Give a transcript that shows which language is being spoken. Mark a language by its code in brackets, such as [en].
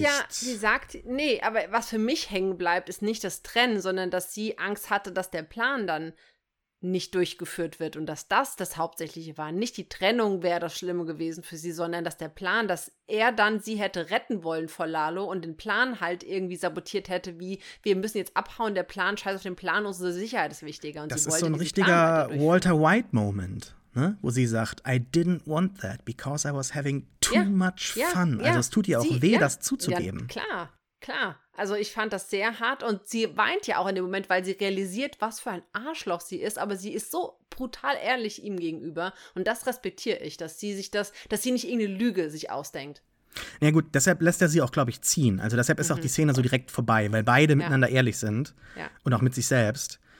[de] Ja, sie sagt, nee, aber was für mich hängen bleibt, ist nicht das Trennen, sondern dass sie Angst hatte, dass der Plan dann nicht durchgeführt wird und dass das Hauptsächliche war. Nicht die Trennung wäre das Schlimme gewesen für sie, sondern dass der Plan, dass er dann sie hätte retten wollen vor Lalo und den Plan halt irgendwie sabotiert hätte, wie wir müssen jetzt abhauen, der Plan, scheiß auf den Plan, unsere Sicherheit ist wichtiger. Und das sie ist wollte so ein richtiger Walter White-Moment. Ne? Wo sie sagt, [en] I didn't want that because I was having too much fun. [de] Ja, also es tut ihr auch weh, das zuzugeben. Ja, klar. Also ich fand das sehr hart und sie weint ja auch in dem Moment, weil sie realisiert, was für ein Arschloch sie ist, aber sie ist so brutal ehrlich ihm gegenüber und das respektiere ich, dass sie nicht irgendeine Lüge sich ausdenkt. Na gut, deshalb lässt er sie auch, glaube ich, ziehen. Also deshalb ist auch die Szene so direkt vorbei, weil beide miteinander ehrlich sind und auch mit sich selbst.